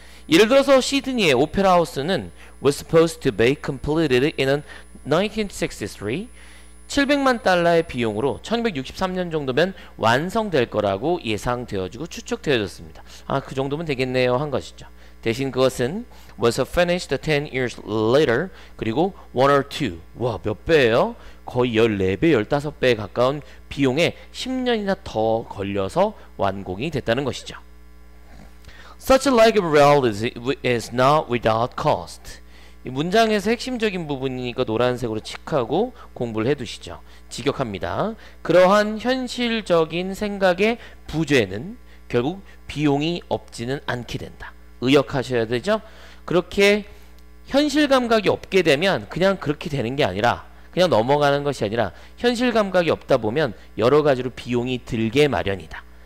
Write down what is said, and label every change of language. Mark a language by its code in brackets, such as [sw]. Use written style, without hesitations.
[ko] 예를 들어서 시드니의 오페라 하우스는 [en] was supposed to be completed in 1963 [ko] 700만 달러의 비용으로 1963년 정도면 완성될 거라고 예상되어지고 추측되어졌습니다. 아, 그 정도면 되겠네요 한 것이죠. 대신 그것은 [en] was finished 10 years later [ko] 그리고 [en] one or two [ko] 와 몇 배예요? 거의 14배, 15배에 가까운 비용에 10년이나 더 걸려서 완공이 됐다는 것이죠. [en] Such a lack of reality is not without cost. [ko] 이 문장에서 핵심적인 부분이니까 노란색으로 칙하고 공부를 해두시죠. 직역합니다. 그러한 현실적인 생각의 부재는 결국 비용이 없지는 않게 된다. 의역하셔야 되죠. 그렇게 현실감각이 없게 되면 그냥 그렇게 되는 게 아니라 그냥 넘어가는 것이 아니라 현실감각이 없다 보면 여러 가지로 비용이 들게 마련이다.